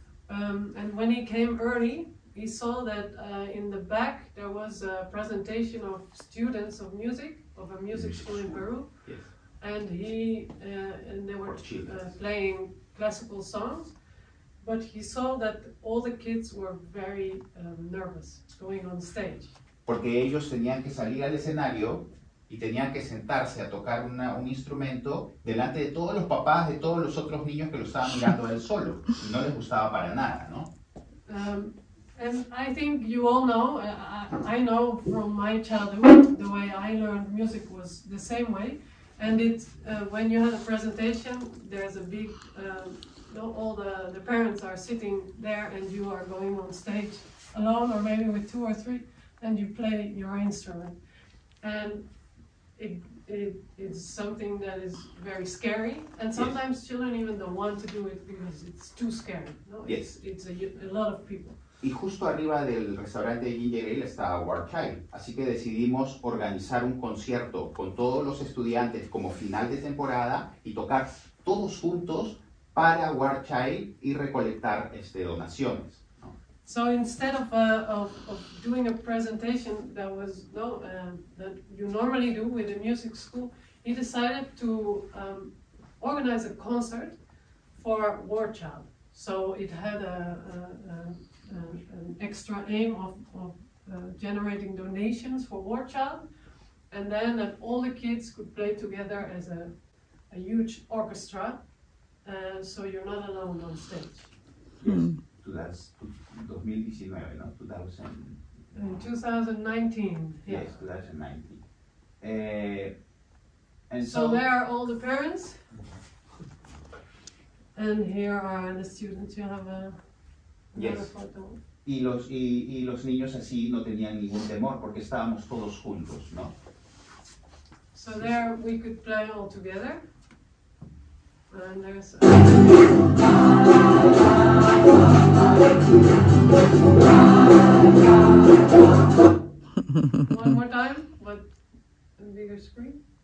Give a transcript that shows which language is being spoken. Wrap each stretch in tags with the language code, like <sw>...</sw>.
<en>And when he came early, he saw that in the back there was a presentation of students of music, of a music school in Peru. Yes. And they were playing classical songs. But he saw that all the kids were very nervous going on stage.</en> <es>Porque ellos tenían que salir al escenario y tenían que sentarse a tocar un instrumento delante de todos los papás, de todos los otros niños que lo estaban mirando a él solo. Y no les gustaba para nada, ¿no?</es> <en>And I think you all know, I know from my childhood, the way I learned music was the same way. And when you have a presentation, there's a big, all the parents are sitting there and you are going on stage alone or maybe with two or three and you play your instrument. And it's something that is very scary. And sometimes children even don't want to do it because it's too scary.</en> <es>No?</es> <en>Yes. It's a lot of people.</en> <es>Y justo arriba del restaurante de Ginger Ale está War Child. Así que decidimos organizar un concierto con todos los estudiantes como final de temporada y tocar todos juntos para War Child y recolectar donaciones. ¿No?</es> <en>So instead of doing a presentation that was that you normally do with a music school, he decided to organize a concert for War Child. So it had an extra aim of generating donations for War Child, and then that all the kids could play together as a huge orchestra, so you're not alone on stage. Yes, mm. That's 2019, no? 2019. Yes, 2019. And so there are all the parents, and here are the students. You have Yes.</en> <es>Y los niños así no tenían ningún temor porque estábamos todos juntos, ¿no?</es> <en>So there we could play all together. And there's one more time, but a bigger screen.</en>